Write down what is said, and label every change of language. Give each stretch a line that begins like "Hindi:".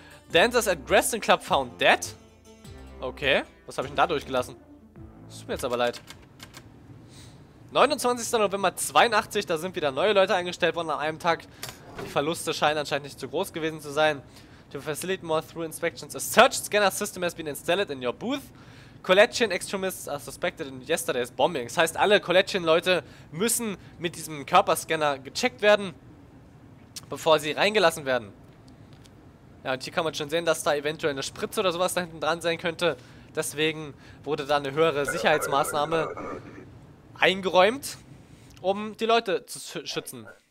English: Dancers at Restian Club found dead.
German: Okay, was habe ich denn da durchgelassen? Das tut mir jetzt aber leid. 29. November 82, da sind wieder neue Leute eingestellt worden an einem Tag. Die Verluste scheinen anscheinend nicht zu groß gewesen zu sein.
English: To facilitate more through inspections, a search scanner system has been installed in your booth. Collection extremists are suspected in yesterday's bombing.
German: Das heißt, alle Collection-Leute müssen mit diesem Körperscanner gecheckt werden, bevor sie reingelassen werden. Ja, und hier kann man schon sehen, dass da eventuell eine Spritze oder sowas da hinten dran sein könnte. Deswegen wurde da eine höhere Sicherheitsmaßnahme eingeräumt, um die Leute zu schützen.